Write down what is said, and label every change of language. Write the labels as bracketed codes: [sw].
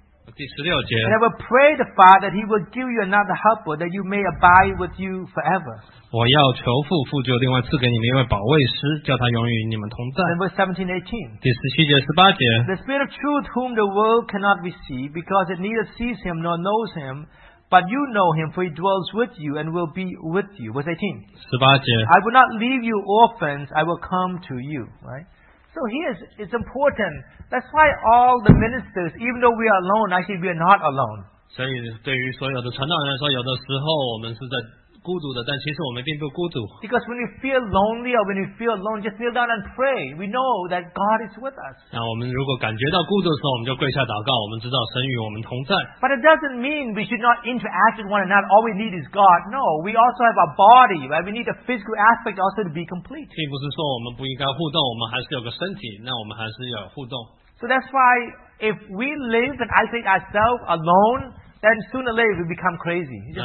[en] And I will pray the Father that He will give you another helper that you may abide with you forever. [zh] 我要求父，父就另外赐给你们一位保卫师, 叫他永与你们同在。 [en] Then verse 17:18. [zh] 第十七节、十八节, [en] the Spirit of truth whom the world cannot receive because it neither sees Him nor knows Him, but you know Him, for He dwells with you and will be with you. Verse 18. [zh] 十八节, [en] I will not leave you orphans, I will come to you. Right? So here it's important. That's why all the ministers, even though we are alone, actually we are not alone. [zh] 所以对于所有的传道人来说, 有的时候我们是在孤独的, 但其实我们并不孤独。 [en] Because when we feel lonely or when we feel alone, just kneel down and pray. We know that God is with us. [zh] 那我们如果感觉到孤独的时候, 我们就跪下祷告, 我们知道神与我们同在。 [en] But it doesn't mean we should not interact with one another. All we need is God. No, we also have our body, right? We need the physical aspect also to be complete. [zh] 并不是说我们不应该互动, 我们还是有个身体, 那我们还是要互动。 [en] So that's why if we live and isolate ourselves alone, then sooner or later we become crazy.